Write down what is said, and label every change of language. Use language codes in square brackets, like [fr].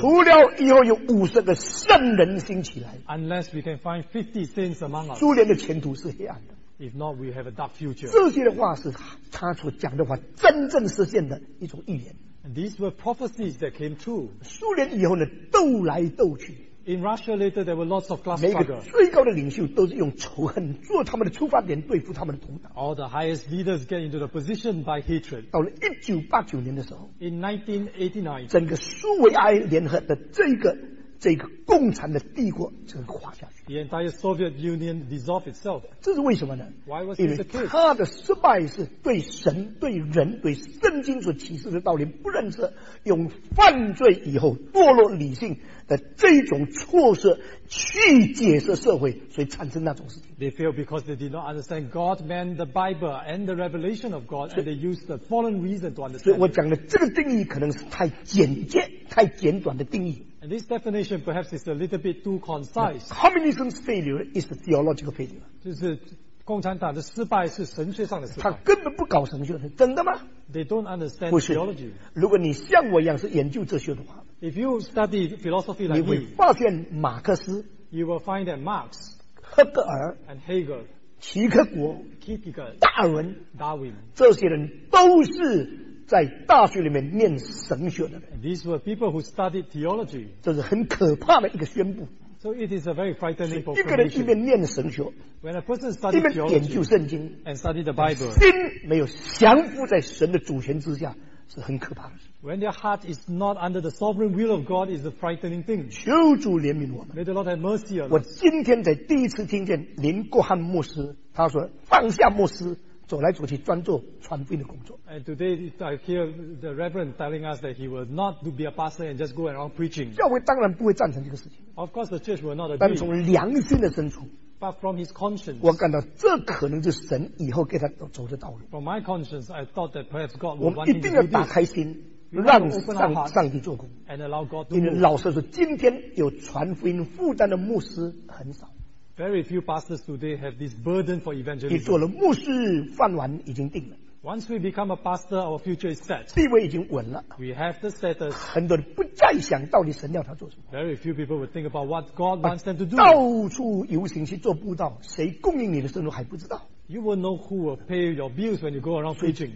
[zh] 除了以后有五十个圣人兴起来， [en] unless we can find 50 saints among us, [zh] 苏联的前途是黑暗的。 [en] If not, we have a dark future. [zh] 这些的话是他所讲的话真正实现的一种预言。 [en] And these were prophecies that came true. [zh] 苏联以后呢，斗来斗去。 [en] In Russia later, there were lots of class struggle. [zh] 每个最高的领袖都是用仇恨做他们的出发点，对付他们的同党。 [en] All the highest leaders get into the position by hatred. [zh] 到了1989年的时候 [en] ，In 1989, [zh] 整个苏维埃联合的这个共产的帝国就垮下去。 [en] The entire Soviet Union dissolved itself. [zh] 这是为什么呢 [en] ？Why was this the case? [zh] 因为他的失败是对神、对人、对圣经所启示的道理不认识，用犯罪以后堕落理性。的这种措施去解释社会，所以产生那种事情。 [en] They failed because they did not understand God, man, the Bible, and the revelation of God, and they used the fallen reason to understand. [zh] 所以我讲的这个定义可能是太简洁、太简短的定义。 [en] And this definition perhaps is a little bit too concise. Communism's failure is the theological failure. [zh] 就是共产党的失败是神学上的失败。他根本不搞神学，是真的吗 [en] ？They don't understand theology. [zh] 如果你像我一样是研究哲学的话。 [en] If you study philosophy like me, [zh] 你会发现马克思 [en] you will find that Marx, [zh] 赫格尔 [en] and Hegel, [zh] 齐克果 [en] Kierkegaard, [zh] 达尔文 [en] Darwin, [zh] 这些人都是在大学里面念神学的人。 [en] These were people who studied theology. [zh] 这是很可怕的一个宣布。 [en] So it is a very frightening proclamation. [zh] 一个人一边念神学 [en] when a person studied theology, [zh] 一边研究圣经 [en] and studied the Bible, [zh] 心没有降服在神的主权之下。是很可怕的事。 [en] When their heart is not under the sovereign will of God, is a frightening thing. [zh] 求主怜悯我们。 [en] May the Lord have mercy on us. [zh] 我今天才第一次听见林国汉牧师，他说放下牧师，走来走去，专做传福音的工作。 [en] And today I hear the Reverend telling us that he will not be a pastor and just go around preaching. [zh] 教会当然不会赞成这个事情。 [en] Of course, the church will not agree. [zh] 但从良心的深处。 [en] But from his conscience, [zh] 我感到这可能就是神以后给他走的道路。 [en] From my conscience, I thought that perhaps God would [zh] 我们一定要打开心，让上帝做工。 [en] And allow God to [zh] 因为老实说，今天有传福音负担的牧师很少。 [en] Very few pastors today have this burden for evangelism. [zh] 你做了牧师，饭碗已经定了。 [en] Once we become a pastor, our future is set. [zh] 地位已经稳了。 [en] We have the status. [zh] 很多人不再想到底神要他做什么。 [en] Very few people would think about what God wants them to do. [zh] 到处游行去做布道，谁供应你的收入还不知道。 [en] You will know who will pay your bills when you go around preaching.